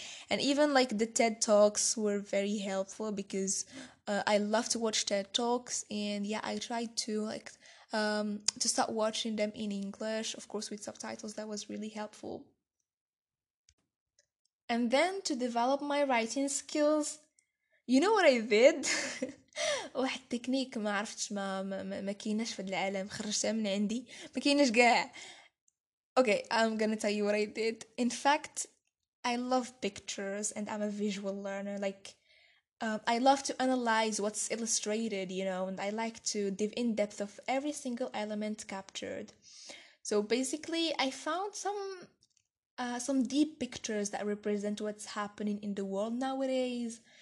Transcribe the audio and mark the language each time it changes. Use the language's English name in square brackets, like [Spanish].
[English] And even like the TED Talks were very helpful because I love to watch TED Talks and yeah, I tried to like to start watching them in English, of course, with subtitles. That was really helpful. And then to develop my writing skills, you know what I did? [Arabic] واحد التكنيك ما عرفتش ما كايناش في العالم خرجتها من عندي ما كايناش كاع. [English] Okay, I'm gonna tell you what I did. In fact, I love pictures and I'm a visual learner. Like, I love to analyze what's illustrated, you know, and I like to dive in depth of every single element captured. So basically, I found some deep pictures that represent what's happening in the world nowadays.